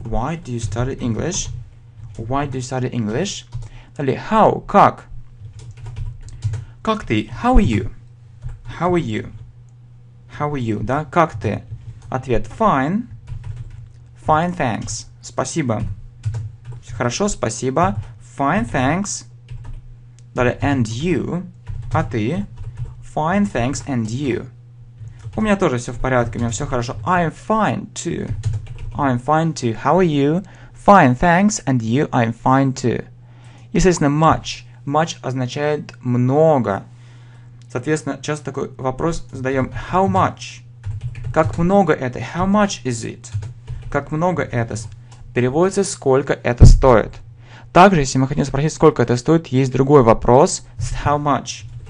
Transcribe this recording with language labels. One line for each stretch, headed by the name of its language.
English: Why do you study English? Why do you study English?
Russian: Далее,
English: how?
Russian: Как? Как ты?
English: How are you? How are you? How are you?
Russian: Да, как ты? Ответ
English: fine. Fine, thanks.
Russian: Спасибо. Все хорошо, спасибо.
English: Fine, thanks.
Russian: Далее,
English: and you.
Russian: А ты?
English: Fine, thanks, and you.
Russian: У меня тоже все в порядке, у меня все хорошо.
English: I'm fine, too. I'm fine, too. How are you? Fine, thanks, and you? I'm fine, too. Естественно, much.
Russian: much означает много. Соответственно, часто такой вопрос задаем:
English: how much?
Russian: Как много это?
English: How much is it?
Russian: Как много это? Переводится: сколько это стоит. Также, если мы хотим спросить, сколько это стоит, есть другой вопрос с how much.